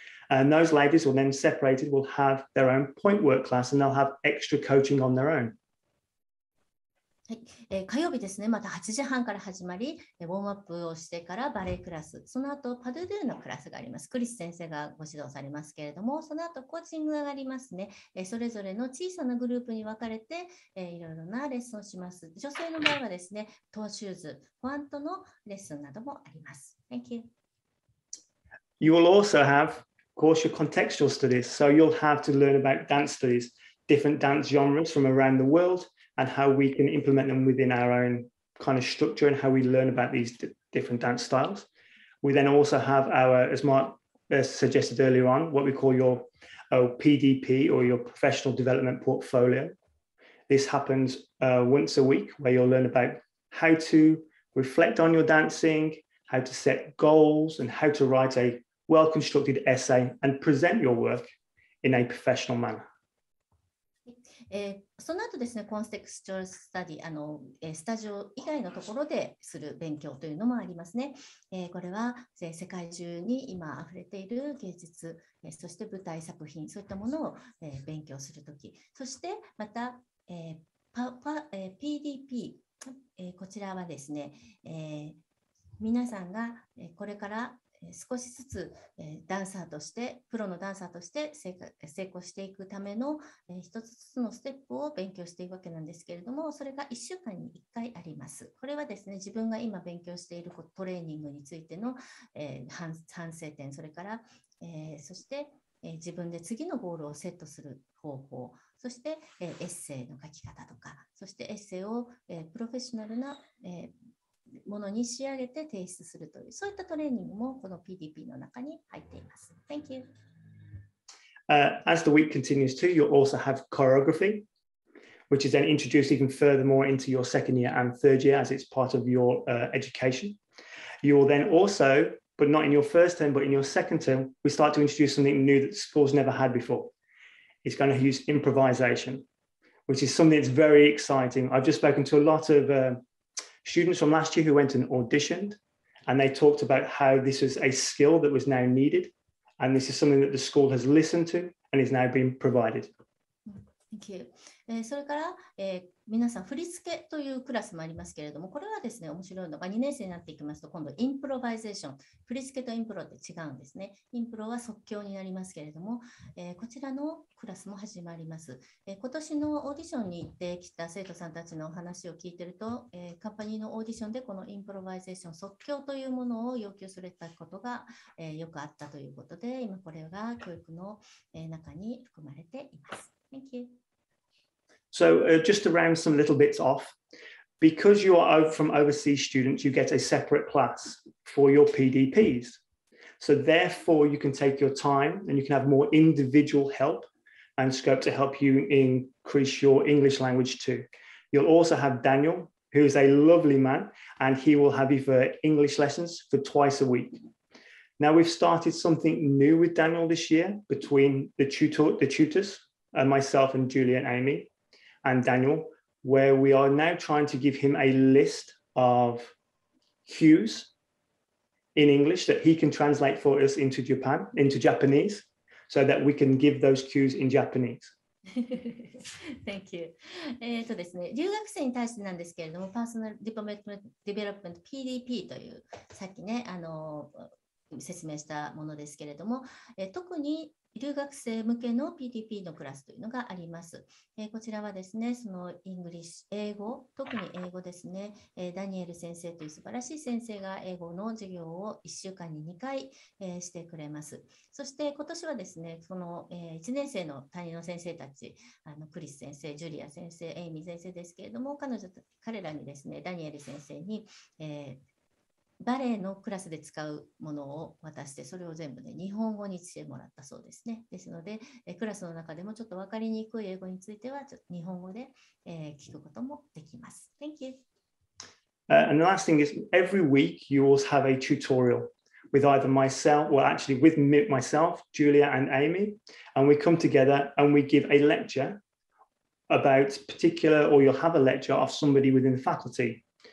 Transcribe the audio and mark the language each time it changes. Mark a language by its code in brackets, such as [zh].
[en] And those ladies will then separated will have their own point work class and they'll have extra coaching on their own. [ja] はい、火曜日ですね、また8時半から始まり、ウォームアップをしてからバレエクラス、その後パドゥドゥのクラスがあります。クリス先生がご指導されますけれども、その後コーチングがありますね。それぞれの小さなグループに分かれて、いろいろなレッスンをします。女性の場合はですね、トーシューズ、ファントのレッスンなどもあります。 [en] Thank you. You will also have, of course, your contextual studies. So you'll have to learn about dance studies, different dance genres from around the world. And how we can implement them within our own kind of structure and how we learn about these different dance styles. We then also have our, as Mark suggested earlier on, what we call your PDP or your professional development portfolio. This happens once a week where you'll learn about how to reflect on your dancing, how to set goals, and how to write a well-constructed essay and present your work in a professional manner. [ja] その後ですね、コンテクストスタディ、スタジオ以外のところでする勉強というのもありますね。これは、世界中に今溢れている芸術、そして舞台作品、そういったものを、勉強するとき、そしてまた、PDP、こちらはですね、皆さんがこれから少しずつダンサーとしてプロのダンサーとして成功していくための一つずつのステップを勉強していくわけなんですけれどもそれが1週間に1回あります。これはですね自分が今勉強しているトレーニングについての反省点それからそして自分で次のゴールをセットする方法そしてエッセイの書き方とかそしてエッセイをプロフェッショナルなものに仕上げて提出するというそういったトレーニングもこの PDP の中に入っています。 [en] Thank you. As the week continues too, you'll also have choreography, which is then introduced even furthermore into your second year and third year as it's part of your education. You will then also, but not in your first term, but in your second term, we start to introduce something new that school's never had before. It's going to use improvisation, which is something that's very exciting. I've just spoken to a lot of... students from last year who went and auditioned and they talked about how this is a skill that was now needed and this is something that the school has listened to and is now being provided. Thank you. [ja] それから、皆さん振り付けというクラスもありますけれどもこれはですね面白いのが2年生になっていきますと今度インプロバイゼーション振り付けとインプロって違うんですね。インプロは即興になりますけれども、こちらのクラスも始まります、今年のオーディションに行ってきた生徒さんたちの話を聞いてると、カンパニーのオーディションでこのインプロバイゼーション即興というものを要求されたことが、よくあったということで今これが教育の中に含まれています。 [en] Thank you. So just to round some little bits off, Because you are from overseas students, you get a separate class for your PDPs. So therefore, you can take your time and you can have more individual help and scope to help you increase your English language too. You'll also have Daniel, who is a lovely man, and he will have you for English lessons for twice a week. Now, we've started something new with Daniel this year between the tutors, and myself and Julie and Amy and Daniel, where we are now trying to give him a list of cues in English that he can translate for us into Japanese, so that we can give those cues in Japanese. Thank you. [ja] ですね、留学生に対してなんですけれども、パーソナルディプロメントディベロップメント PDP というさっきね、説明したものですけれども、特に留学生向けの PDP のクラスというのがあります。こちらはですね、そのイングリッシュ、英語、特に英語ですね、ダニエル先生という素晴らしい先生が英語の授業を1週間に2回、してくれます。そして今年はですね、その、1年生の担任の先生たち、クリス先生、ジュリア先生、エイミー先生ですけれども、彼らにですね、ダニエル先生に、バレエのクラスで使うものを渡して、それを全部、ね、日本語にしてもらったそうですね。ですので、クラスの中でもちょっと分かりにくい英語については、ちょっと日本語で、聞くこともできます。 [en] Thank you.、 And the last thing is, every week you always have a tutorial with either myself, well, actually with myself, Julia and Amy, and we come together and we give a lecture about particular, or you'll have a lecture of somebody within the faculty.